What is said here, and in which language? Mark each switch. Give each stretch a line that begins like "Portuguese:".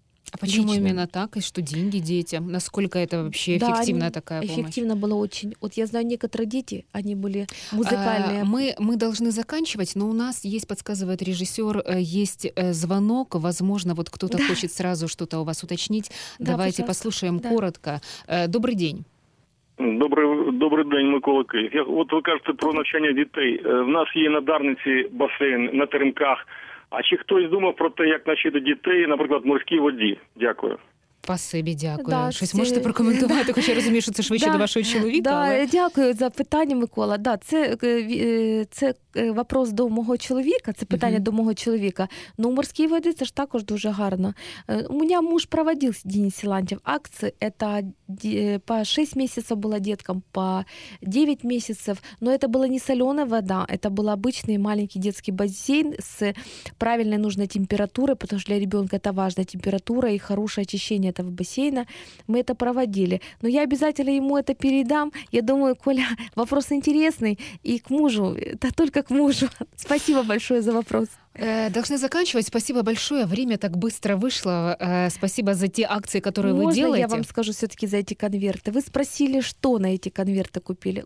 Russian: А почему лично именно так? И что деньги детям? Насколько это вообще эффективная, да, такая помощь? Эффективно было очень. Вот я знаю, некоторые дети, они были музыкальные. Мы должны заканчивать, но у нас есть, подсказывает режиссер, есть звонок. Возможно, вот кто-то хочет сразу что-то у вас уточнить. Да, давайте послушаем коротко. Добрый день.
Ukrainian: Добрий день, Микола Київ. От ви кажете про навчання дітей. В нас є на Дарниці басейн на Теремках. А чи хтось думав про те, як навчити дітей, наприклад, морській воді? Дякую. Спасибі, дякую. Да, щось можете прокоментувати? Да. Хоча я розумію, що це швидше, да, до вашого чоловіка. Да, але... Дякую за питання, Микола. Да, це вопрос до мого чоловіка, це питання до мого чоловіка. Ну, морські води, це ж також дуже гарно. У мене муж проводив, Денис Силантьев, акції. Це по 6 місяців було діткам, по 9 місяців. Але це була не солена вода, це був звичайний маленький дитячий басейн з правильною потрібною температурою, тому що для дитини це важлива температура і хороше очищення этого бассейна, мы это проводили.
Russian: Но я обязательно ему это передам. Я думаю, Коля, вопрос интересный. И к мужу, да, только к мужу. Спасибо большое за вопрос. Должны заканчивать. Спасибо большое. Время так быстро вышло. Спасибо за те акции, которые Можно вы делаете. Я вам скажу все-таки за эти конверты. Вы спросили, что на эти конверты купили.